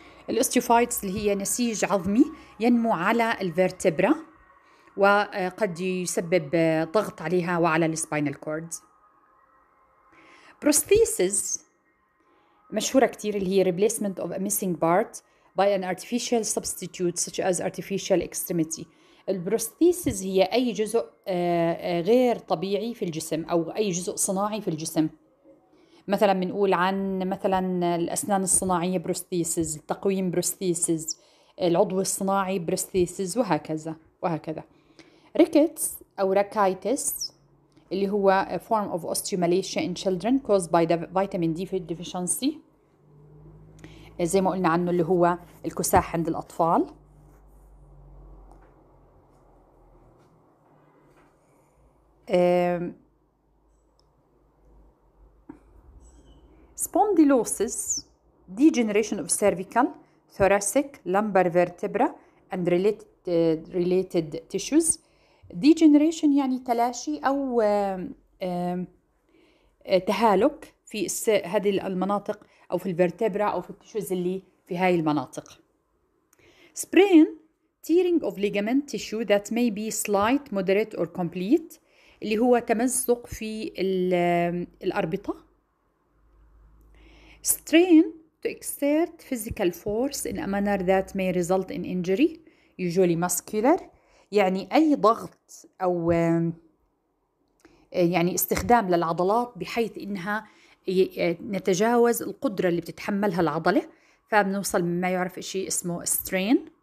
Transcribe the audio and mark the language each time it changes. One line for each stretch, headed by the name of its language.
Arabic: الأستيوفايتس اللي هي نسيج عظمي ينمو على الفيرتبرا وقد يسبب ضغط عليها وعلى السباينال كورد.
English: prosthesis
Arabic: مشهورة كتير اللي هي
English: replacement of a missing part by an artificial substitute such as artificial extremity.
Arabic: البروستيسيس هي أي جزء غير طبيعي في الجسم أو أي جزء صناعي في الجسم. مثلا بنقول عن مثلا الأسنان الصناعية بروستيسز، التقويم بروستيسز، العضو الصناعي بروستيسز وهكذا وهكذا. ريكتس أو ركايتس اللي هو
English: a form of osteomalacia in children caused by the vitamin D deficiency
Arabic: زي ما قلنا عنه اللي هو الكساح عند الأطفال.
English: Spondylosis, degeneration of cervical, thoracic, lumbar vertebra and related tissues.
Arabic: Degeneration يعني تلاشي أو تهالك في هذه المناطق أو في الفيرتبرا أو في التيشوز اللي في هاي المناطق.
English: Sprain, tearing of ligament tissue that may be slight, moderate or complete
Arabic: اللي هو تمزق في الأربطة.
English: Strain to exert physical force in a manner that may result in injury, usually muscular.
Arabic: يعني أي ضغط أو يعني استخدام للعضلات بحيث إنها نتجاوز القدرة اللي بتتحملها العضلة. فبنوصل مما يعرف إشي اسمه strain.